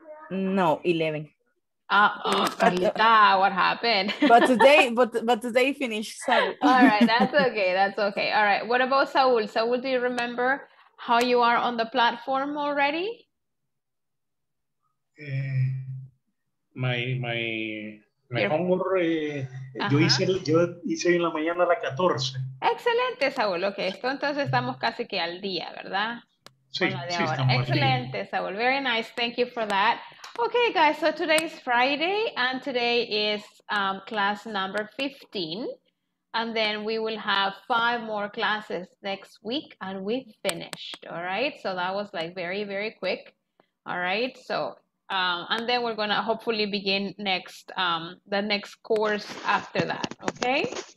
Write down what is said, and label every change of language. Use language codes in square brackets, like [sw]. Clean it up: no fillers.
[en] No, 11. Carlita, what happened? But today finished. Sorry. All right, that's okay. All right, what about Saul? Saul, do you remember how you are on the platform already? My homework, [es] yo hice en la mañana la 14. Excelente, Saul. Okay, esto entonces estamos casi que al día, ¿verdad? Sí, ahora. Excelente, bien. [en] Saul. Very nice. Thank you for that. Okay, guys, so today is Friday, and today is class number 15, and then we will have 5 more classes next week, and we finished, all right? So that was, like, very, very quick, all right? So, and then we're going to hopefully begin next, the next course after that, okay?